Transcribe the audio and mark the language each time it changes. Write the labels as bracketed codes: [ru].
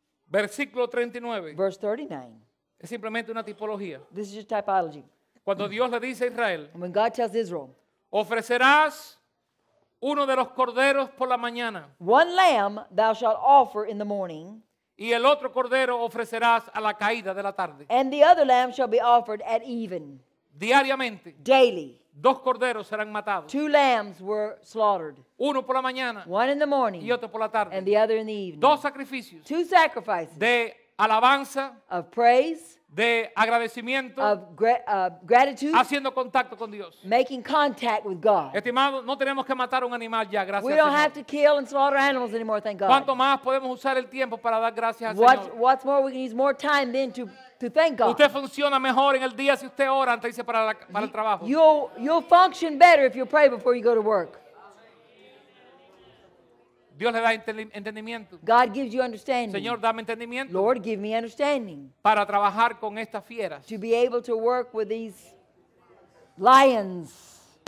[es] Versículo 39. [en] Verse 39. [es] Es simplemente una tipología. [en] This is just typology. [es] Cuando Dios le dice a Israel, [en] and when God tells Israel, [es] ofrecerás uno de los corderos por la mañana. [en] One lamb thou shalt offer in the morning. [es] Y el otro cordero ofrecerás a la caída de la tarde. [en] And the other lamb shall be offered at even. [es] diariamente. [en] Daily. [es] Dos corderos serán matados. [en] Two lambs were slaughtered. [es] Uno por la mañana. [en] One in the morning. [es] Y otro por la tarde. [en] And the other in the evening. [es] Dos sacrificios. [en] Two sacrifices. [es] De alabanza. [en] Of praise. [es] De agradecimiento. [en] Of gratitude. [es] Haciendo contacto con Dios. [en] Making contact with God. [es] Estimado, no tenemos que matar un animal ya, gracias a Dios. [en] We don't have to kill and slaughter animals anymore, thank God. [es] ¿Cuánto más podemos usar el tiempo para dar gracias al Señor? [en] What's more, we can use more time then to thank God. [es] Usted funciona mejor en el día si usted ora antes de irse para el trabajo. [en] You'll function better if you pray before you go to work. [es] Dios le da entendimiento. [en] God gives you understanding. [es] Señor, dame entendimiento. [en] Lord, give me understanding. [es] Para trabajar con estas fieras. [en] To be able to work with these lions.